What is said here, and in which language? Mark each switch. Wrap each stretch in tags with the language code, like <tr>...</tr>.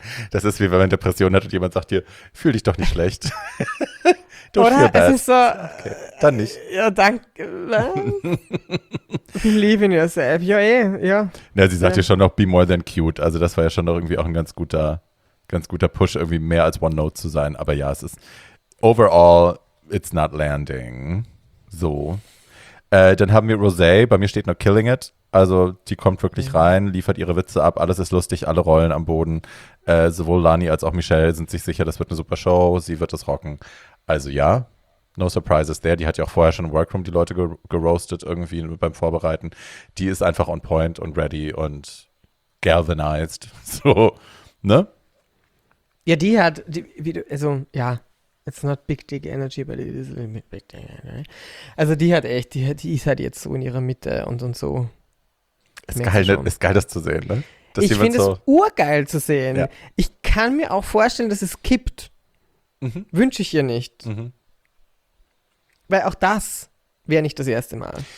<de>Das ist wie wenn man Depression hat und jemand sagt dir: Fühl dich doch nicht schlecht. Oder? Es ist so, okay, dann nicht. Ja, danke.</de> <en>Believe in yourself.</en> <de>Ja, eh. Ja. Na, sie sagt ja schon noch,</de> <en>be more than cute.</en> <de>Also das war ja schon noch irgendwie auch ein ganz guter Push, irgendwie mehr als One Note zu sein. Aber ja, es ist,</de> <en>overall, it's not landing.</en> <de>So. Dann haben wir Rosé. Bei mir steht noch Killing It. Also die kommt wirklich rein, liefert ihre Witze ab. Alles ist lustig, alle rollen am Boden. Sowohl Lani als auch Michelle sind sich sicher, das wird eine super Show. Sie wird es rocken. Also ja,</de> <en>no surprises there.</en> <de>Die hat ja auch vorher schon im Workroom die Leute geroastet irgendwie beim Vorbereiten. Die ist einfach</de> <en>on point und ready und galvanized.</en> <de>So, ne? Ja, die hat,</de> <en>it's not big dick energy, but it is a little bit big dick energy.</en> <de>Also die hat echt, die ist halt jetzt so in ihrer Mitte und so. Ist geil, das zu sehen, ne? Dass ich finde es urgeil zu sehen. Ja. Ich kann mir auch vorstellen, dass es kippt. Wünsche ich ihr nicht. Weil auch das wäre nicht das erste Mal.</de>